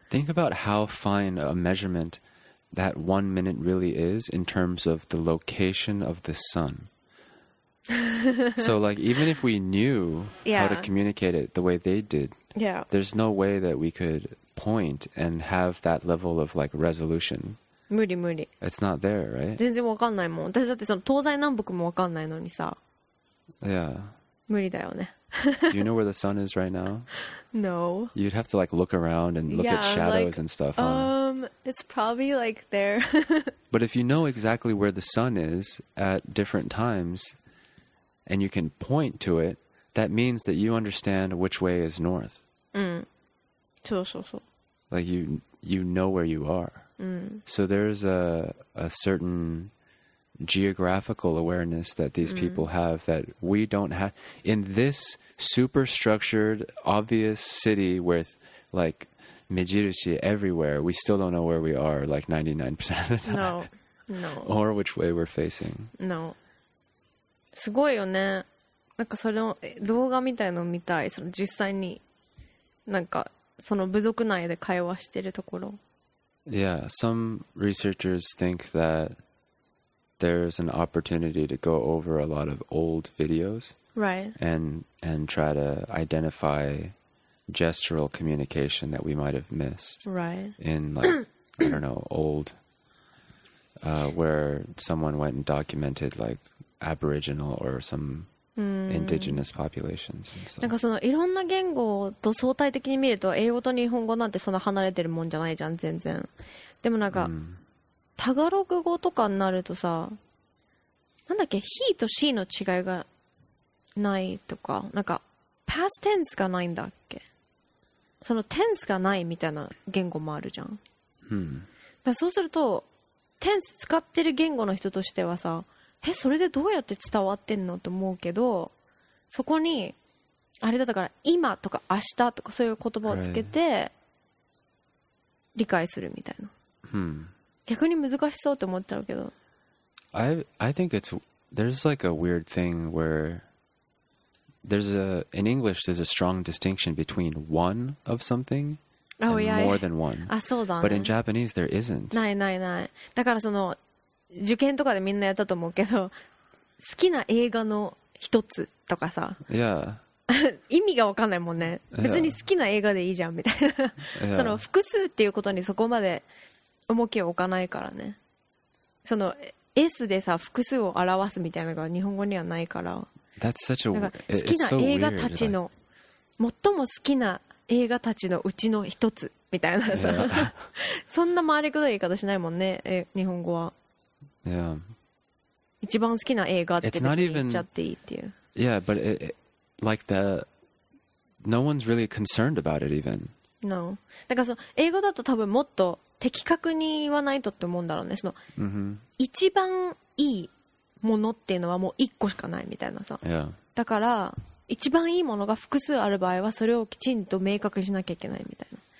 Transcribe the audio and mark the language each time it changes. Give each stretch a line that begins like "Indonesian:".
English: Think about how fine a measurement that 1 minute really is in terms of the location of the sunSo, like, even if we knew how to communicate it the way they did, there's no way that we could point and have that level of, like, resolution.
Japanese: 無理無理
English: It's not there, right?
Japanese: 全然わかんないもん。私だってその東西南北もわかんないのにさ。
English: Yeah.
Japanese: 無理だよね。
English: Do you know where the sun is right now? No. You'd have to, like, look around and look at shadows and stuff, huh? It's probably, like, there. But if you know exactly where the sun is at different times... And you can point to it, that means that you understand which way is north.
Japanese: うん。そうそうそう。
English: Like you know where you are.
Japanese: うん。
English: So there's a certain geographical awareness that these people have that we don't have. In this super structured, obvious city with like 目印 everywhere, we still don't know where we are like 99% of the time. No, no. Or which way we're facing.
Japanese: No. すごいよね。なんかその動画みたいのを見たい。その実際になんかその部族内で会話してるところ。
English: Yeah, some researchers think that there's an opportunity to go over a lot of old videos. Right. And try to identify gestural communication that we might have missed. Right. In like, I don't know, old, where someone went and documented like,Aboriginal or some indigenous populations.
Japanese: なんかそのいろんな言語と相対的に見ると英語と日本語なんてそんな離れてるもんじゃないじゃん全然。でもなんかタガログ語とかになるとさ、なんだっけ he と she の違いがないとかなんか past tense がないんだっけ。その tense がないみたいな言語もあるじゃん。だそうすると tense 使ってる言語の人としてはさ。え、それでどうやって伝わってんのと思うけど、そこに、あれだったから、今とか明日とかそういう言葉をつけて、理解するみたいな。逆に難しそうって思っちゃうけど。
English: I think it's there's like a weird thing where there's a in English there's a strong distinction between one of something and oh, yeah. more than one.
Japanese: あ、そうだね。
English: But in Japanese there isn't.
Japanese: ないないない。だからその受験とかでみんなやったと思うけど、好きな映画の一つとかさ。
English: Yeah.
Japanese: 意味が分かんないもんね、別に好きな映画でいいじゃんみたいな、その複数っていうことにそこまで重きを置かないからね、その S でさ複数を表すみたいなのが日本語にはないから。
English: That's such a...
Japanese: 好きな映画たちの、最も好きな映画たちのうちの一つみたいなさ、そんな回りくどい言い方しないもんね日本語は。
English: Yeah.
Japanese: 一番好きな映画って別に言っちゃっていいっていう。
English: Yeah, but like the no one's really concerned about it even. No.
Japanese: だからその英語だと多分もっと的確に言わないとって思うんだろうね。その、
English: mm-hmm.
Japanese: 一番いいものっていうのはもう一個しかないみたいなさ。
English: Yeah.
Japanese: だから一番いいものが複数ある場合はそれをきちんと明確にしなきゃいけないみたいな。